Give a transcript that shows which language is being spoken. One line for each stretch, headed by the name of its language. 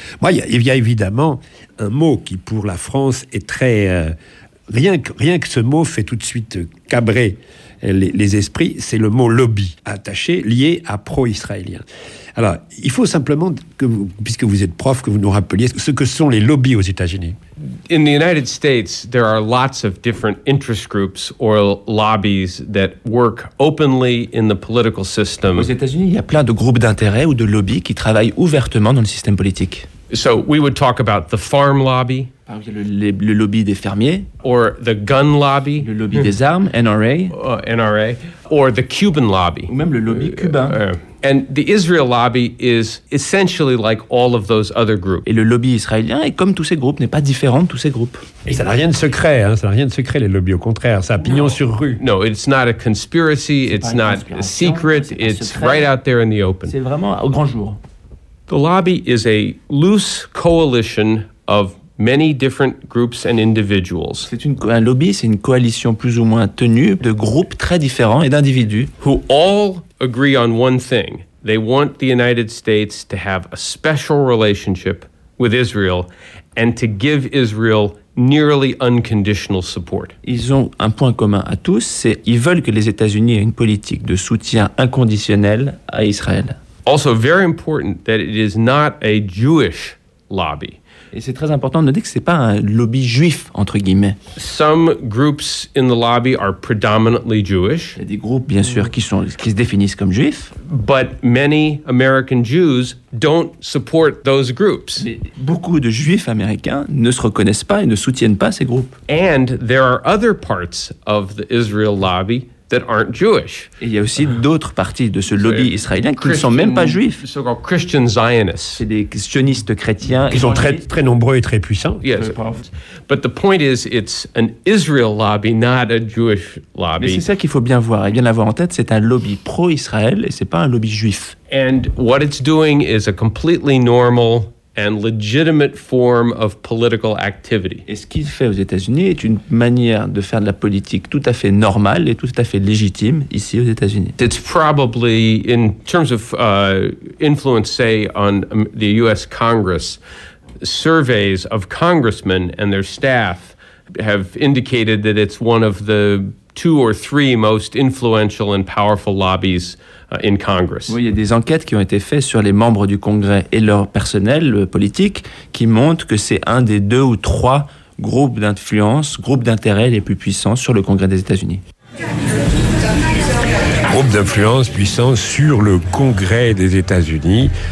French: Il y a évidemment un mot qui, pour la France, est très... Rien que ce mot fait tout de suite cabrer les esprits, c'est le mot lobby attaché, lié à pro-israélien. Alors, il faut simplement, puisque vous êtes prof, que vous nous rappeliez ce que sont les lobbies aux États-Unis.
English: In the United States, there are lots of different interest groups or lobbies that work openly in the political system.
French: Aux États-Unis, il y a plein de groupes d'intérêts ou de lobbies qui travaillent ouvertement dans le système politique.
English: So we would talk about the farm lobby.
French: Par exemple, le lobby des fermiers.
English: Or the gun lobby.
French: Le lobby des armes, NRA.
English: NRA. Or the Cuban lobby.
French: Ou même le lobby cubain.
English: And the Israel lobby is essentially like all of those other groups.
French: Et le lobby israélien est comme tous ces groupes, n'est pas différent de tous ces groupes. Et ça n'a rien de secret, hein, ça n'a rien de secret les lobbies, au contraire, ça a pignon sur rue.
English: No, it's not a conspiracy, it's not a secret, it's right out there in the open.
French: C'est vraiment au grand jour.
English: The lobby is a loose coalition of many different groups and individuals.
French: Un lobby, c'est une coalition plus ou moins tenue de groupes très différents et d'individus.
English: Who all agree on one thing. They want the United States to have a special relationship with Israel and to give Israel nearly unconditional support.
French: Ils ont un point commun à tous, c'est ils veulent que les États-Unis aient une politique de soutien inconditionnel à Israël.
English: Also very important that it is not a Jewish lobby.
French: Et c'est très important de noter que c'est pas un lobby juif entre guillemets.
English: Some groups in the lobby are predominantly Jewish.
French: Il y a des groupes bien sûr qui se définissent comme juifs.
English: But many American Jews don't support those groups.
French: Mais beaucoup de juifs américains ne se reconnaissent pas et ne soutiennent pas ces groupes.
English: And there are other parts of the Israel lobby that aren't Jewish.
French: Et il y a aussi d'autres parties de ce lobby israélien qui ne sont même pas juifs.
English: So-called Christian Zionists.
French: C'est des sionistes chrétiens. Ils sont très, très nombreux et très puissants.
English: Yes. But the point is, it's an Israel lobby, not a Jewish lobby.
French: Mais c'est ça qu'il faut bien voir et bien avoir en tête. C'est un lobby pro-Israël et ce n'est pas un lobby juif.
English: And what it's doing is a completely normal and legitimate form of political activity.
French: Et ce qu'il fait aux États-Unis est une manière de faire de la politique tout à fait normale et tout à fait légitime ici aux États-Unis.
English: It's probably in terms of influence, say, on the U.S. Congress, surveys of congressmen and their staff have indicated that it's one of the two or three most influential and powerful lobbies in Congress.
French: Oui, il y a des enquêtes qui ont été faites sur les membres du Congrès et leur personnel politique qui montrent que c'est un des deux ou trois groupes d'influence, groupes d'intérêt les plus puissants sur le Congrès des États-Unis. Groupe d'influence puissant sur le Congrès des États-Unis.